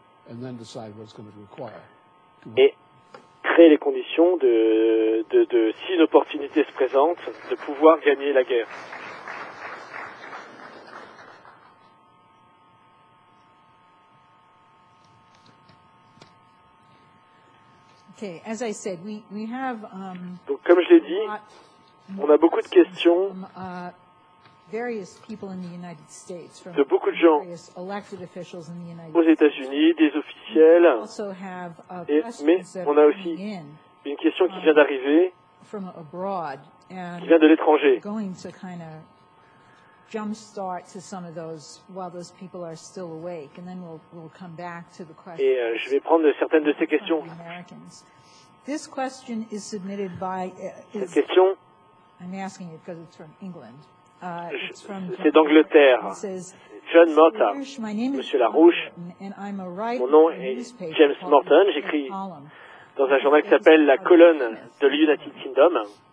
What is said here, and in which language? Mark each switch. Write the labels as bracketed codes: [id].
[en] And then decide what it's going to require. [fr] Et créer les conditions de si une opportunité se présente, de pouvoir gagner la guerre. [en] Okay, as I said, we have. [fr] Donc comme je l'ai dit, on a beaucoup de questions. [en] Various people in the United States, from [fr] de beaucoup de gens [en] elected officials in the United [fr] aux États-Unis, des officiels, mais on a aussi une question qui vient d'arriver, [en] from abroad, and [fr] qui vient de l'étranger. [en] Going to kind of jumpstart to some of those while those people are still awake, and then we'll come back to the question. [fr] Et je vais prendre certaines de ces questions. [en] This question is submitted by. [fr] Cette question. [en] I'm asking it because it's from England. [fr] C'est d'Angleterre. John Morta, Monsieur Larouche, mon nom est James Morton, j'écris dans un journal qui s'appelle La Colonne de l'United Kingdom.